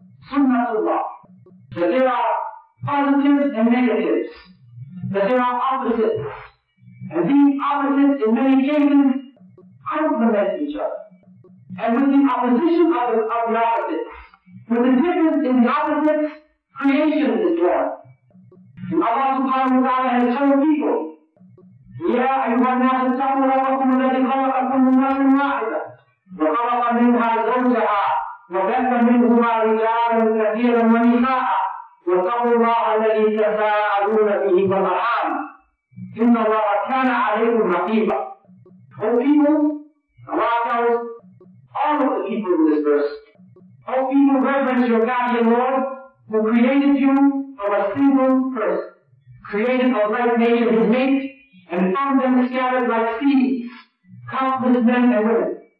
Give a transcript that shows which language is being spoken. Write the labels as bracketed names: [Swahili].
[English] Sunnatullah, that there are positives and negatives, that there are opposites, and these opposites in many cases complement each other. And with the opposition of the opposites, with the difference in the opposites, creation is born. And Allah subhanahu wa ta'ala has told people, [Arabic] يَا أَيُّهَا النَّاسُ اتَّقُوا رَبَّكُمُ الَّذِي خَلَقَكُم مِّن نَّفْسٍ وَاحِدَةٍ وَخَلَقَ مِنْهَا زَوْجَهَا وبث منهما رجالا كثيرا ونساء واتقوا الله الذي تساءلون به والارحام ان الله كان عليكم رقيبا. [English] O people, Allah tells all of the people in this verse, O people, reverence your guardian Lord who created you of a single person, created of like nature his mate, and found them scattered like seeds, countless men and women.